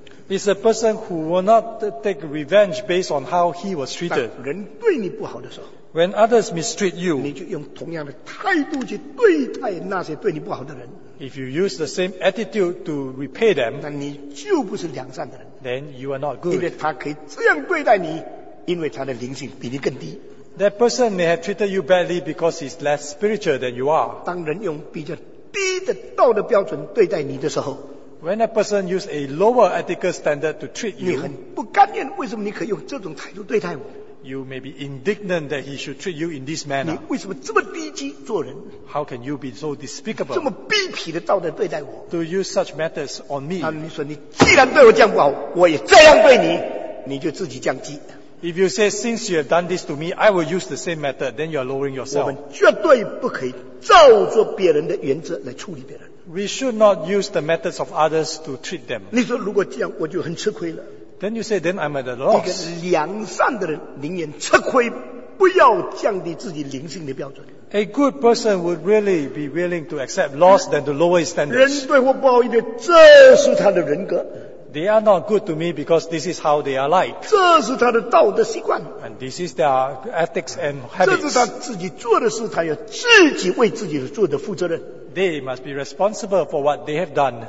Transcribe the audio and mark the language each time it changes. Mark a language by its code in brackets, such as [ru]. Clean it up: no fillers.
[en] is a person who will not take revenge based on how he was treated. [zh] 但人对你不好的时候, [en] when others mistreat you, [zh] 你就用同样的态度去对待那些对你不好的人, [en] if you use the same attitude to repay them, [zh] 那你就不是良善的人, [en] then you are not good. [zh] 因为他可以这样对待你, 因为他的灵性比你更低。 [en] That person may have treated you badly because he's less spiritual than you are. [zh] 当人用比较 低的道德标准对待你的时候, [en] when a person uses a lower ethical standard to treat you, [zh] 你很不甘愿，为什么你可以用这种态度对待我？ [en] You may be indignant that he should treat you in this manner. [zh] 你为什么这么低级做人？ [en] How can you be so despicable? [zh] 这么卑鄙的道德对待我？ [en] To use such methods on me. [zh] 你说你既然对我这样不好，我也这样对你，你就自己降低。 [en] If you say, since you have done this to me, I will use the same method, then you are lowering yourself. [zh] 我们绝对不可以照着别人的原则来处理别人。 [en] We should not use the methods of others to treat them. [zh] 你说如果这样我就很吃亏了。 [en] Then you say, then I'm at a loss. [zh] 一个良善的人宁愿吃亏，不要降低自己灵性的标准。 [en] A good person would really be willing to accept loss than to lower his standards. [zh] 人对我不好一点，这是他的人格。 [en] They are not good to me because this is how they are like. [zh] 这是他的道德习惯。 [en] And this is their ethics and habits. [zh] 这是他自己做的事，他要自己为自己做的负责任。 [en] They must be responsible for what they have done.